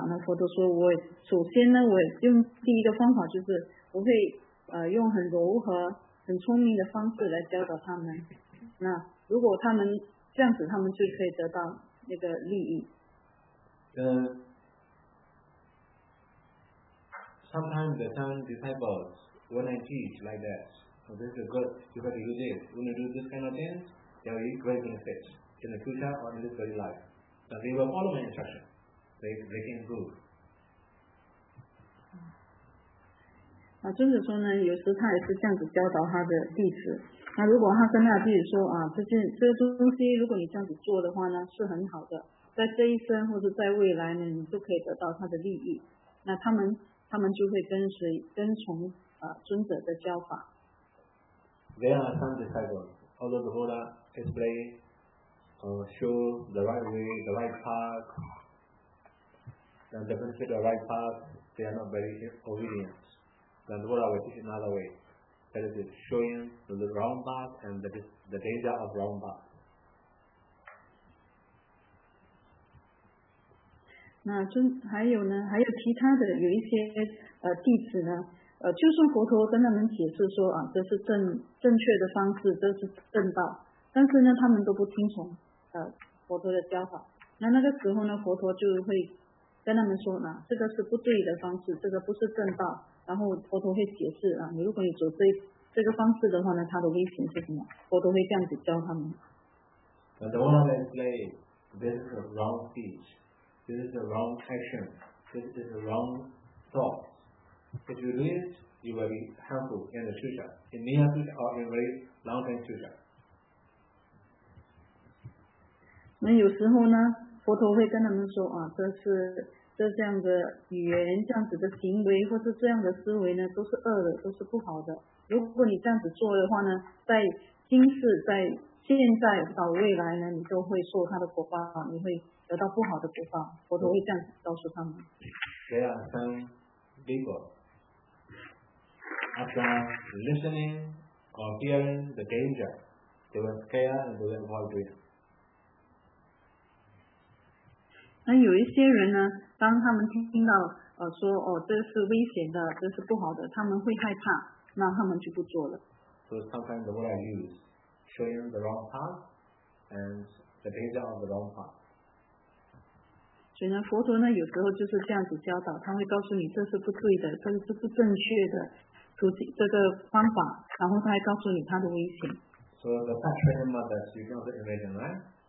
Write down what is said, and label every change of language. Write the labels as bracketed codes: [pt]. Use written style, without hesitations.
[zh] 那佛陀说我首先呢，我用第一个方法就是。我会用很柔和很聪明的方式来教导他们，那如果他们这样子，他们就可以得到那个利益。 [en] Sometimes the young disciples, when I teach like that, oh, this is good, you have to use it, when you do this kind of thing, there will be great benefits in the future or in this very life. But they will follow my instruction, they can improve. [zh] 啊，尊者说呢，有时他也是这样子教导他的弟子。那如果他跟他弟子说啊，这东西，如果你这样子做的话呢，是很好的，在这一生或者在未来呢，你都可以得到他的利益。那他们就会跟从尊者的教法。 [en] There are some disciples, although the Buddha explain or show the right way, the right path, and they consider the right path, they are not very obedient.That's what I will teach another way. that it is showing the wrong path and that is the danger of wrong path. [zh] 那真还有呢，还有其他的有一些弟子呢，就算佛陀跟他们解释说啊，这是正确的方式，这是正道，但是呢，他们都不听从佛陀的教法。那个时候呢，佛陀就会跟他们说呢，这个是不对的方式，这个不是正道。然后佛陀会解释啊，你如果你走这个方式的话呢，它的危险是什么？佛陀会这样子教他们。 [en] The one that played this is a wrong speech. This is a wrong action. This is a wrong thought. If you do it, you will be harmful in the future, in near future or in very long term future. [zh] 那有时候呢，佛陀会跟他们说啊，这样的语言、这样子的行为或是这样的思维呢，都是恶的，都是不好的。如果你这样子做的话呢，在今世、在现在到未来呢，你都会受他的果报，你会得到不好的果报。佛陀会这样子告诉他们。 [en] There are some people after listening or hearing the danger, they were scared and they were avoiding. [zh] 那有一些人呢，当他们听到说哦，这是危险的，这是不好的，他们会害怕，那他们就不做了。 [en] So sometimes the word I use, showing the wrong path and the danger of the wrong path. [zh] 所以呢，佛陀呢有时候就是这样子教导，他会告诉你这是不对的，这是不正确的途径，这个方法，然后他还告诉你他的危险。 [en] So the fact that you can also imagine, right?